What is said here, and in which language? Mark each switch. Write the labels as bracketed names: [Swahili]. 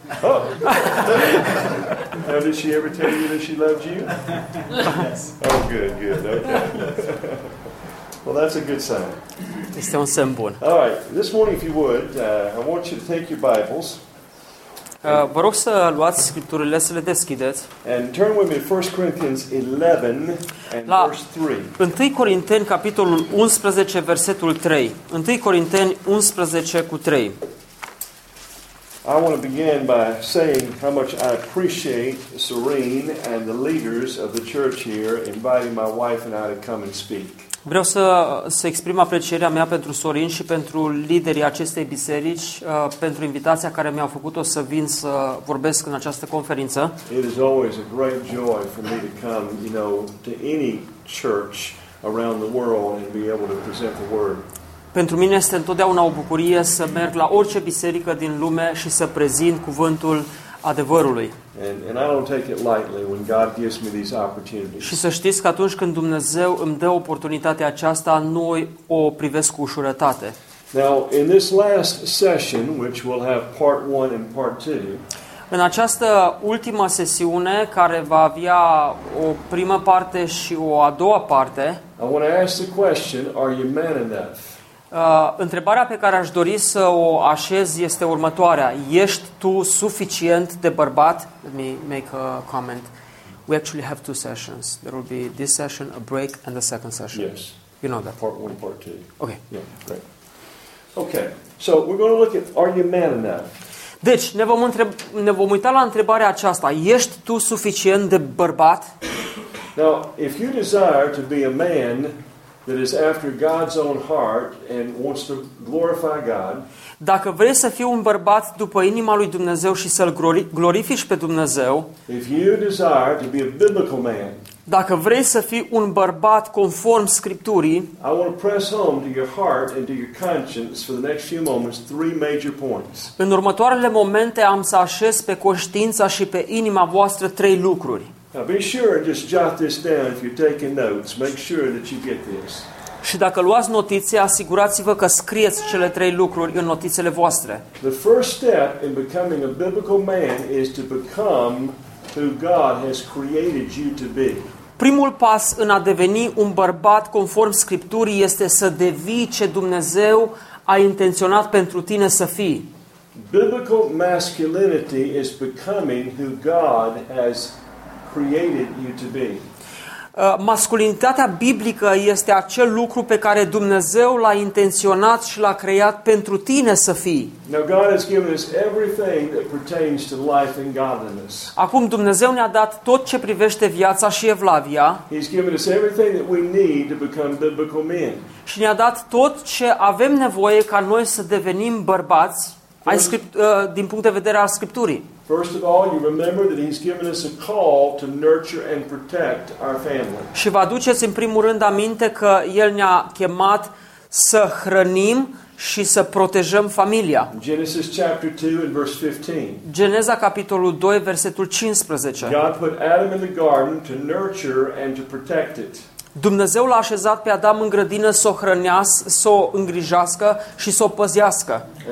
[English] Now, did she ever tell you that she loved you? Yes. Oh, good, good. Okay. Well, that's a good sign. [Romanian] Este un semn bun. [English] All right. This morning, if you would, I want you to take your Bibles. [Romanian] Vă rog să luați scripturile, să le deschideți. [English] And turn with me to 1 Corinthians 11 and [Romanian] la [English] verse 3. [Romanian] 1 Corinteni capitolul 11 versetul 3. 1 Corinteni 11 cu 3. [English] I want to begin by saying how much I appreciate Serene and the leaders of the church here inviting my wife and I to come and speak. [Romanian] Vreau să exprim aprecierea mea pentru Sorin și pentru liderii acestei biserici pentru invitația care mi-au făcut-o să vin să vorbesc în această conferință. [English] It is always a great joy for me to come, you know, to any church around the world and be able to present the word. [Romanian] Pentru mine este întotdeauna o bucurie să merg la orice biserică din lume și să prezint cuvântul adevărului. [English] And I don't take it lightly when God gives me these opportunities. [Romanian] Și să știți că atunci când Dumnezeu îmi dă oportunitatea aceasta, nu o privesc cu ușurătate. [English] Now, in this last session, which will have part 1 and part 2. [Romanian] În această ultimă sesiune care va avea o primă parte și o a doua parte. [English] I want to ask the question, are you man enough? [Romanian] Întrebarea pe care aș dori să o așez este următoarea. Ești tu suficient de bărbat? [English] Let me make a comment. We actually have two sessions. There will be this session, a break, and the second session. Yes. You know that. Part one, part two. Okay. Yeah, great. Okay. So we're going to look at, are you man enough? [Romanian] Deci, ne vom uita la întrebarea aceasta. Ești tu suficient de bărbat? [English] Now, if you desire to be a man... That is after God's own heart and wants to glorify God. [Romanian] Dacă vrei să fii un bărbat după inima lui Dumnezeu și să-l glorifici pe Dumnezeu. [English] If you desire to be a biblical man. [Romanian] Dacă vrei să fii un bărbat conform Scripturii. [English] I want to press home to your heart and to your conscience for the next few moments three major points. [Romanian] În următoarele momente am să așez pe conștiința și pe inima voastră trei lucruri. [English] Now be sure and just jot this down if you're taking notes. Make sure that you get this. [Romanian] Și dacă luați notițe, asigurați-vă că scrieți cele trei lucruri în notițele voastre. [English] The first step in becoming a biblical man is to become who God has created you to be. [Romanian] Primul pas în a deveni un bărbat conform Scripturii este să devii ce Dumnezeu a intenționat pentru tine să fii. [English] Biblical masculinity is becoming who God has created you to be. [Romanian] Masculinitatea biblică este acel lucru pe care Dumnezeu l-a intenționat și l-a creat pentru tine să fii. [English] Now God has given us everything that pertains to life and godliness. [Romanian] Acum Dumnezeu ne-a dat tot ce privește viața și evlavia. [English] He's given us everything that we need to become biblical men. [Romanian] Și ne-a dat tot ce avem nevoie ca noi să devenim bărbați. Din punct de vedere al Scripturii. [English] First of all, you remember that he's given us a call to nurture and protect our family. [Romanian] Și vă aduceți în primul rând aminte că el ne-a chemat să hrănim și să protejăm familia. [English] Genesis chapter 2 and verse 15. [Romanian] Geneza capitolul 2 versetul 15. [English] God put Adam in the garden to nurture and to protect it. [Romanian] Dumnezeu l-a așezat pe Adam în grădină să o hrănească, să o îngrijească și să o păzească.